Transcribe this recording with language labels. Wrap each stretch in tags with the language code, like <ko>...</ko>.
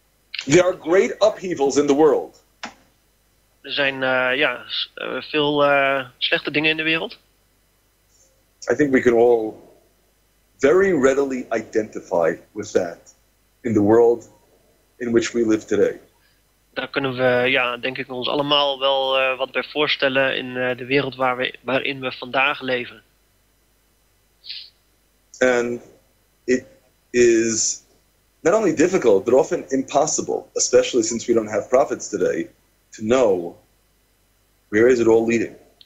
<en>There are great upheavals in the world.</en> <nl>Er zijn veel slechte dingen in de wereld.</nl> <en>I think we can all very readily identify with that in the world in which we live today.</en> <nl>Daar kunnen we denk ik ons allemaal wel wat bij voorstellen in de wereld waarin we vandaag leven.</nl> <en>And it is not only difficult, but often impossible, especially since we don't have prophets today, to know where is it all leading.</en>